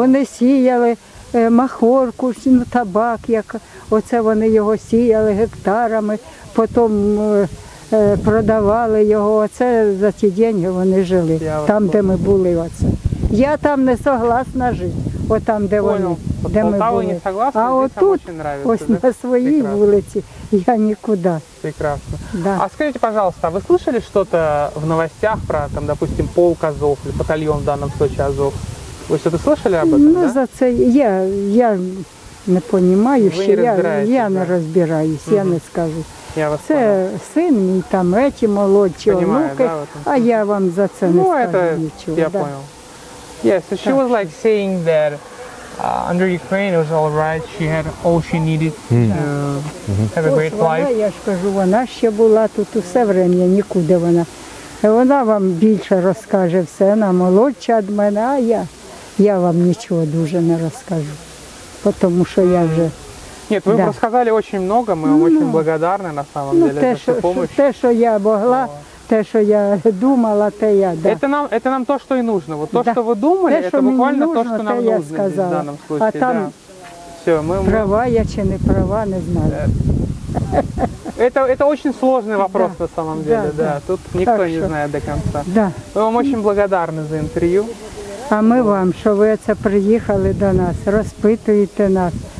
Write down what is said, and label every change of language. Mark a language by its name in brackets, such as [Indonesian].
[Ukrainian] Вони сіяли махорку, табак, як оце вони його сіяли гектарами, потім продавали його, оце за ті деньги вони жили, там, де ми були. Оце. Я там не согласна жити, отам, де вони, де ми були. А отут, ось на своїй вулиці, я нікуди. [Russian] Прекрасно. Да. А скажите, пожалуйста, а вы слышали что-то в новостях про, там, допустим, полк Азов или батальон в данном случае Азов? Вы что-то слышали об этом? Ну, да? [Ukrainian] За це [Russian] я не понимаю, что я не разбираюсь, я не скажу. [Ukrainian] Це [Russian] понял. [Ukrainian] Син мій, там, [Russian] эти [Ukrainian] молодші онуки, а я вам за це не скажу нічого. [Russian] Я понял. [English] Yes, so she was like saying that under Ukraine it was all right, she had all she needed to have a great life. [Ukrainian] Я ж кажу, вона ще була тут усе время, нікуди вона. Вона вам більше розкаже все, вона молодша від мене, а я вам нічого дуже не розкажу, тому що я вже... [Russian] Нет, вы рассказали очень много, мы вам очень благодарны на самом деле за вашу помощь. [Ukrainian] Те, що я могла. Те, що я думала, те я, да. [Russian] Это нам то, що і нужно. Вот то, що ви думали, [Ukrainian] те, [Russian] это буквально нужно, [Ukrainian] то, що нам [Russian] нужно [Ukrainian] в даному случае. А там все, права я чи не права, не знаю. [Russian] Это очень сложный вопрос на самом деле, да. Тут никто так не знает до конца. Да. Мы вам очень благодарны за интервью. А мы вам, [Ukrainian] що ви це приїхали до нас, розпитуєте нас.